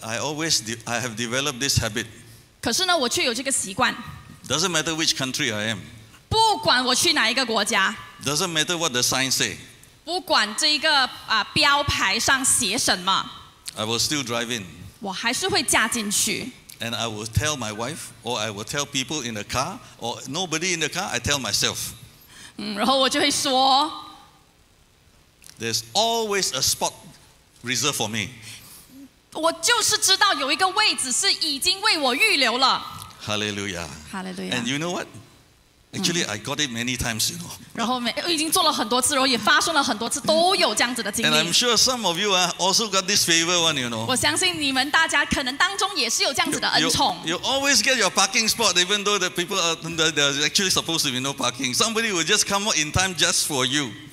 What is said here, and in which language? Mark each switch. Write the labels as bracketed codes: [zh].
[en] I have developed this habit. [zh] 可是呢，我却有这个习惯。 [en] Doesn't matter which country I am. [zh] 不管我去哪一个国家。 [en] Doesn't matter what the sign say. [zh] 不管这一个标牌上写什么。 [en] I will still drive in. [zh] 我还是会驾进去。 [en] And I will tell my wife, or I will tell people in the car, or nobody in the car, I tell myself. [zh] 然后我就会说, [en] there's always a spot reserved for me. [zh] 我就是知道有一个位置是已经为我预留了。 [en] Hallelujah. Hallelujah. And you know what? Actually, I got it many times, you know. [zh] 然后已经做了很多次，然后也发生了很多次，都有这样子的经历。 [en] And I'm sure some of you also got this favor one, you know. [zh] 我相信你们大家可能当中也是有这样子的恩宠。 [en] You always get your parking spot, even though the people are actually supposed to be no parking. Somebody will just come out in time just for you.